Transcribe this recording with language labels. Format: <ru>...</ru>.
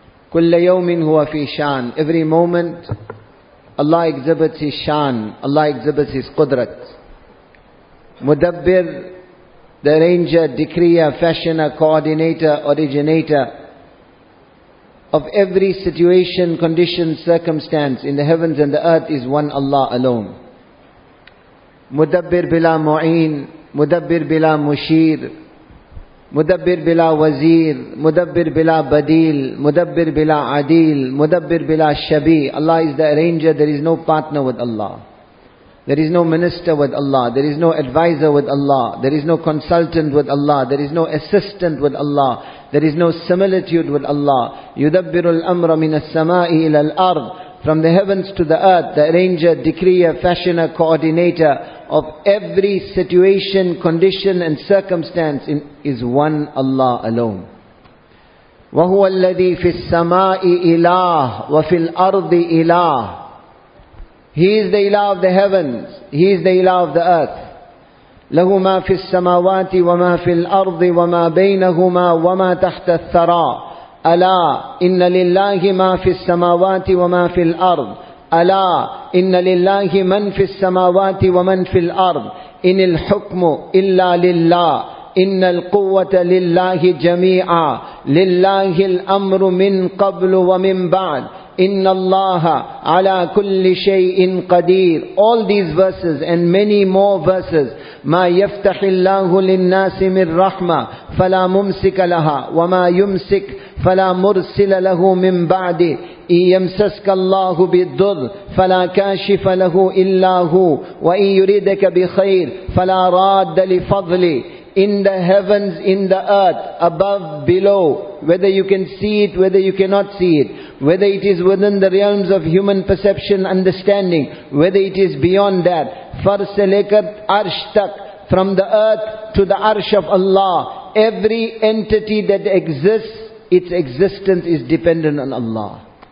<ar>Kulla yawmin huwa fi shan.</ar> <en>Every moment Allah exhibits His shan, Allah exhibits His qudrat. Mudabbir, the arranger, decreer, fashioner, coordinator, originator of every situation, condition, circumstance in the heavens and the earth is one Allah alone.</en> <ar>مدبر بلا معين، مدبر بلا مشير، مدبر بلا وزير، مدبر بلا بديل، مدبر بلا عديل، مدبر بلا شبي.</ar> <en>Allah is the arranger, there is no partner with Allah. There is no minister with Allah, there is no advisor with Allah, there is no consultant with Allah, there is no assistant with Allah, there is no similitude with Allah.</en> <ar>يدبر الأمر من السماء إلى الأرض.</ar> <en>From the heavens to the earth, the arranger, decreer, fashioner, coordinator of every situation, condition and circumstance is one Allah alone.</en> <ar>وَهُوَ الَّذِي فِي السَّمَاءِ إِلَهُ وَفِي الْأَرْضِ إِلَهُ.</ar> <en>He is the ilah of the heavens. He is the ilah of the earth.</en> <ar>لَهُ مَا فِي السَّمَاوَاتِ وَمَا فِي الْأَرْضِ وَمَا بَيْنَهُمَا وَمَا تَحْتَ الثَّرَى أَلَا إِنَّ لِلَّهِ مَا فِي السَّمَاوَاتِ وَمَا فِي الْأَرْضِ أَلَا إِنَّ لِلَّهِ مَنْ فِي السَّمَاوَاتِ وَمَنْ فِي الْأَرْضِ إِنِ الْحُكْمُ إِلَّا لِلَّهِ إن القوة لله جميعا لله الأمر من قبل ومن بعد إن الله على كل شيء قدير.</ar> <en>All these verses and many more verses.</en> <ar>ما يفتح الله للناس من رحمة فلا ممسك لها وما يمسك فلا مرسل له من بعده. إن يمسسك الله بالضر فلا كاشف له إلا هو وإن يريدك بخير فلا راد لفضله.</ar> <en>In the heavens, in the earth, above, below, whether you can see it, whether you cannot see it, whether it is within the realms of human perception, understanding, whether it is beyond that,</en> <ur>far salekat arsh tak,</ur> <en>from the earth to the arsh of Allah, every entity that exists, its existence is dependent on Allah.</en>